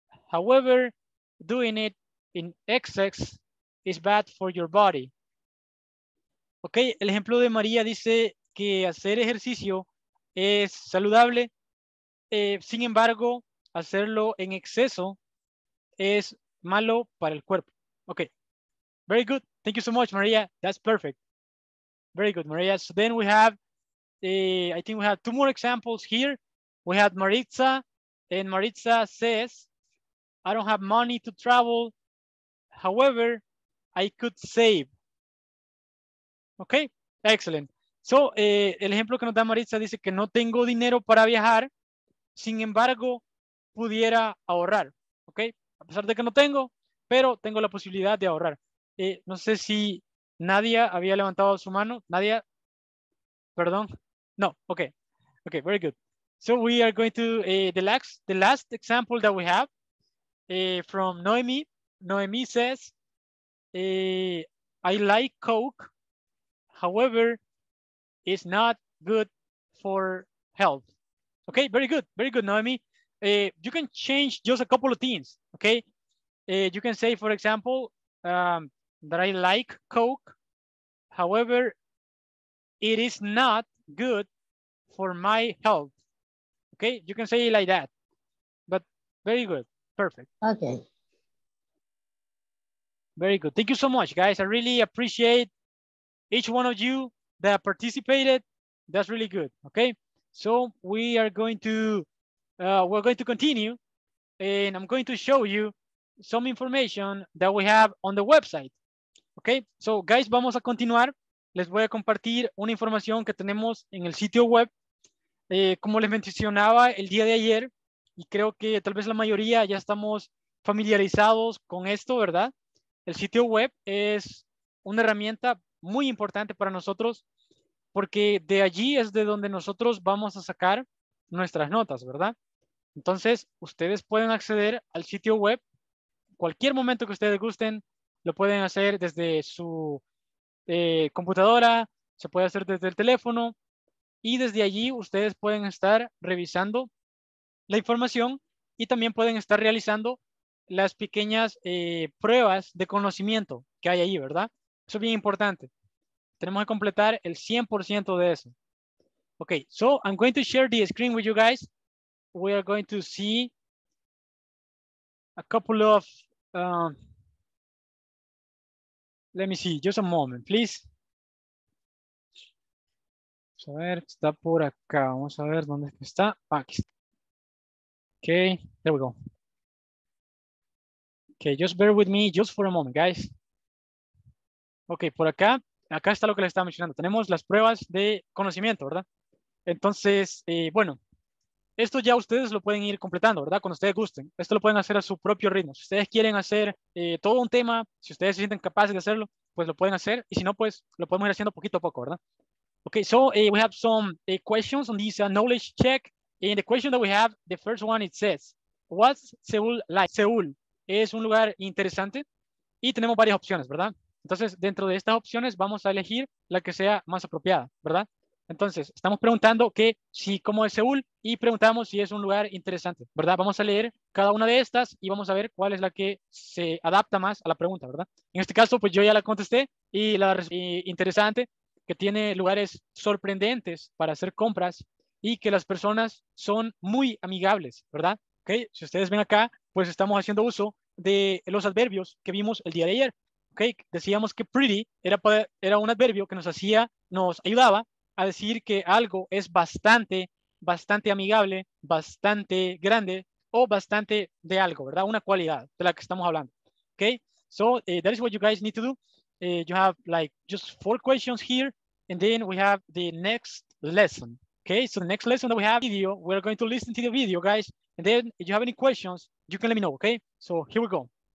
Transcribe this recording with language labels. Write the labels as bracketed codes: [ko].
[en] However, doing it in excess is bad for your body. [es] Ok, el ejemplo de María dice que hacer ejercicio es saludable. Sin embargo, hacerlo en exceso es malo para el cuerpo. [en] Ok, very good. Thank you so much, María. That's perfect. Very good, María. So then we have, I think we have two more examples here. We have Maritza, and Maritza says, I don't have money to travel. However, I could save. Ok, excellent. [es] So, el ejemplo que nos da Maritza dice que no tengo dinero para viajar, sin embargo, pudiera ahorrar. Ok, a pesar de que no tengo, pero tengo la posibilidad de ahorrar. No sé si Nadia había levantado su mano. [en] Nadia, [es] perdón. [en] No, ok. Ok, very good. So we are going to the last example that we have from Noemi. Noemi says, I like Coke. However, it's not good for health. Okay, very good. Very good, Noemi. You can change just a couple of things. Okay, you can say, for example, that I like Coke. However, it is not good for my health. Okay, you can say it like that, but very good, perfect. Okay. Very good, thank you so much, guys. I really appreciate each one of you that participated. That's really good, okay? So we are going to, we're going to continue, and I'm going to show you some information that we have on the website, okay? So guys, [es] vamos a continuar. Les voy a compartir una información que tenemos en el sitio web. Como les mencionaba el día de ayer, y creo que tal vez la mayoría ya estamos familiarizados con esto, ¿verdad? El sitio web es una herramienta muy importante para nosotros porque de allí es de donde nosotros vamos a sacar nuestras notas, ¿verdad? Entonces, ustedes pueden acceder al sitio web. Cualquier momento que ustedes gusten, lo pueden hacer desde su computadora, se puede hacer desde el teléfono. Y desde allí ustedes pueden estar revisando la información y también pueden estar realizando las pequeñas pruebas de conocimiento que hay ahí, ¿verdad? Eso es bien importante. Tenemos que completar el 100% de eso. [en] Ok, so I'm going to share the screen with you guys. We are going to see a couple of... let me see, just a moment, please. [es] A ver, está por acá. Vamos a ver dónde está. Aquí está. Ok, [en] there we go. Ok, just bear with me just for a moment, guys. [es] Ok, por acá. Acá está lo que les estaba mencionando. Tenemos las pruebas de conocimiento, ¿verdad? Entonces, bueno, esto ya ustedes lo pueden ir completando, ¿verdad? Cuando ustedes gusten. Esto lo pueden hacer a su propio ritmo. Si ustedes quieren hacer todo un tema, si ustedes se sienten capaces de hacerlo, pues lo pueden hacer. Y si no, pues lo podemos ir haciendo poquito a poco, ¿verdad? [en] Okay, so we have some questions on this knowledge check. And the question that we have, the first one, it says, what's Seoul like? [es] Seoul es un lugar interesante y tenemos varias opciones, ¿verdad? Entonces, dentro de estas opciones, vamos a elegir la que sea más apropiada, ¿verdad? Entonces, estamos preguntando que si cómo es Seoul y preguntamos si es un lugar interesante, ¿verdad? Vamos a leer cada una de estas y vamos a ver cuál es la que se adapta más a la pregunta, ¿verdad? En este caso, pues yo ya la contesté y la respuesta interesante. Que tiene lugares sorprendentes para hacer compras y que las personas son muy amigables, ¿verdad? Ok, si ustedes ven acá, pues estamos haciendo uso de los adverbios que vimos el día de ayer. Ok, decíamos que pretty era un adverbio que nos ayudaba a decir que algo es bastante, bastante amigable, bastante grande o bastante de algo, ¿verdad? Una cualidad de la que estamos hablando. [en] Ok, so that is what you guys need to do. You have like just four questions here, and then we have the next lesson. Okay, so the next lesson that we have video, we're going to listen to the video, guys. And then if you have any questions, you can let me know, okay? So here we go.